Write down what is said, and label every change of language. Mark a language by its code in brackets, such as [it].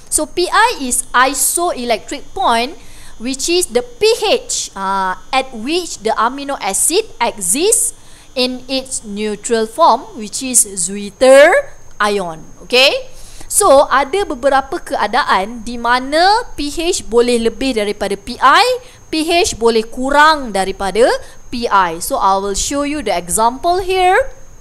[en] So PI is isoelectric point, which is the PH at which the amino acid exists in its neutral form, which is zwitter ion. [ms] Okay, so ada beberapa keadaan di mana pH boleh lebih daripada PI, pH boleh kurang daripada PI. [en] So I will show you the example here.